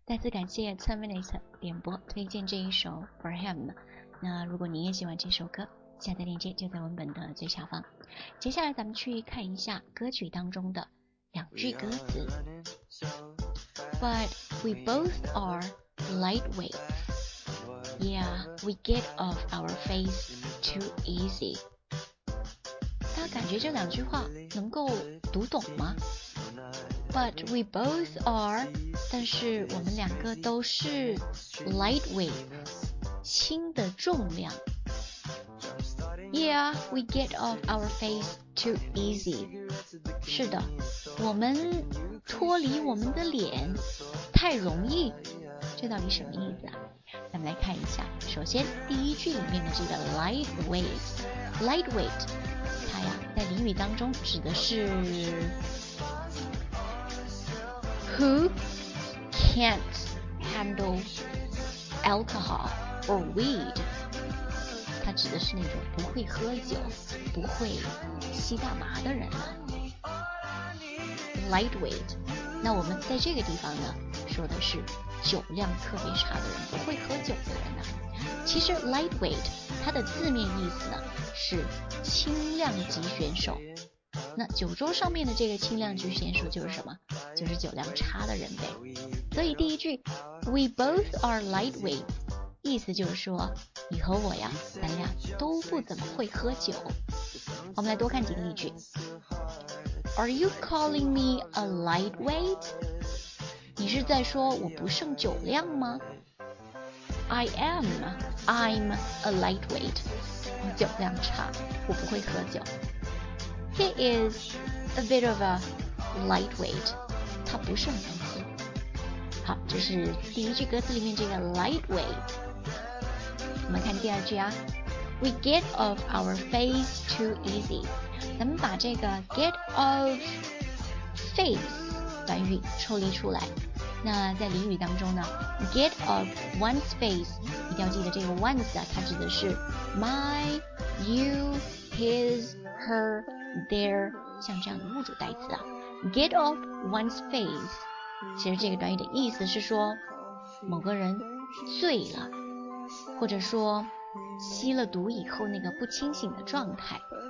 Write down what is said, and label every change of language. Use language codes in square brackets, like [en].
[zh] 感谢 Terminator 点播推荐这一首 For Him。那如果你也喜欢这首歌，下载链接就在文本的最下方。接下来咱们去看一下歌曲当中的两句歌词。 [en] But we both are lightweight. Yeah, we get off our face too easy. [zh] 大家感觉这两句话能够读懂吗？ [en] But we both are, [zh] 但是我们两个都是 lightweight, 轻的重量。 [en] Yeah, we get off our face too easy. [zh] 是的，我们脱离我们的脸太容易。这到底什么意思啊？咱们来看一下，首先第一句里面的这个 lightweight, 它呀在里成语当中指的是 [en] Who can't handle alcohol or weed， [zh] 它指的是那种不会喝酒不会吸大麻的人呢。 Lightweight， 那我们在这个地方呢说的是酒量特别差的人，不会喝酒的人呢。其实 lightweight 它的字面意思呢是轻量级选手，那酒桌上面的这个轻量级选手就是什么，就是酒量差的人呗。所以第一句 [en] We both are lightweight， [zh] 意思就是说你和我呀咱俩都不怎么会喝酒。我们来多看几个例句。 [en] Are you calling me a lightweight？ [zh] 你是在说我不胜酒量吗？ [en] I'm a lightweight， [zh] 我酒量差，我不会喝酒。 [en] He is a bit of a lightweight， [zh] 他不是很能喝。好，这是第一句歌词里面这个 lightweight。我们看第二句啊。 [en] We get off our face too easy， [zh] 咱们把这个 get off face 短语抽离出来。那在俚语当中呢 get off one's face， 一定要记得这个 one's 啊，它指的是 my you his her their， 像这样的物主代词啊。 get off one's face， 其实这个短语的意思是说某个人醉了，或者说吸了毒以后那个不清醒的状态。